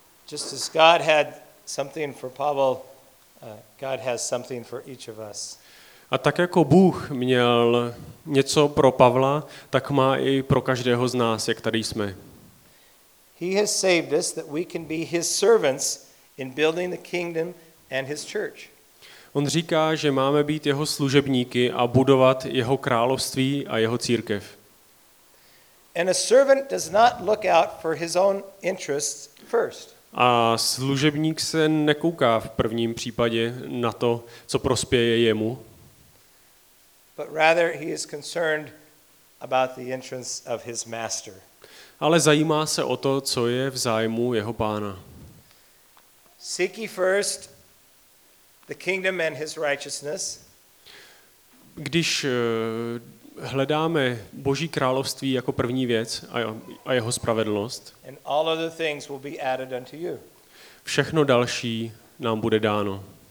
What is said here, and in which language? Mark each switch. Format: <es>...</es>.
<en>Just as God had something for Pavel, God has something for each of us.</en> <cs>A tak jako Bůh měl něco pro Pavla, tak má i pro každého z nás, jak tady jsme.</cs> <en>He has saved us that we can be his servants in building the kingdom and his church.</en> <cs>On říká, že máme být jeho služebníky a budovat jeho království a jeho církev.</cs> <en>And a servant does not look out for his own interests first.</en> <cs>A služebník se nekouká v prvním případě na to, co prospěje jemu.</cs> <en>But rather he is concerned about the interests of his master.</en> <cs>Ale zajímá se o to, co je v zájmu jeho pána.</cs> <en>Seek ye first the kingdom and his righteousness.</en> <cs>Když hledáme Boží království jako první věc a jeho spravedlnost.</cs> <en>And all other things will be added unto you.</en> <cs>Všechno další nám bude dáno.</cs>